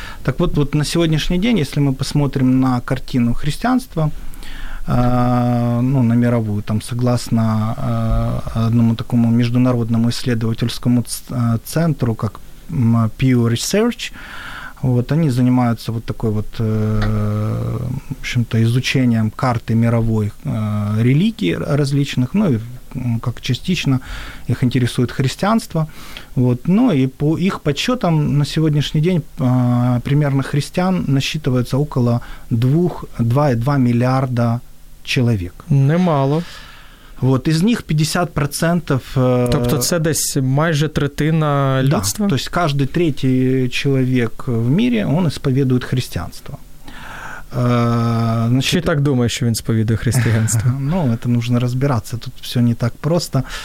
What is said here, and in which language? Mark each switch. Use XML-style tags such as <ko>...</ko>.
<ru>Так вот, вот на сегодняшний день, если мы посмотрим на картину христианства, ну, на мировую, там, согласно одному такому международному исследовательскому центру, как Pew Research, вот, они занимаются вот такой вот, в общем-то, изучением карты мировой религии различных, ну, и как частично их интересует христианство. Вот. Ну и по их подсчетам на сегодняшний день примерно христиан насчитывается около 2,2 миллиарда человек. Немало. Вот. Из них 50%...</ru> <uk>Тобто це десь майже третина людства?</uk> <ru>Да, то есть каждый третий человек в мире, он исповедует христианство.</ru> <uk>Значит, чи так думає, що він сповідує християнство? Ну, це потрібно розбиратися, тут все не так просто.</uk>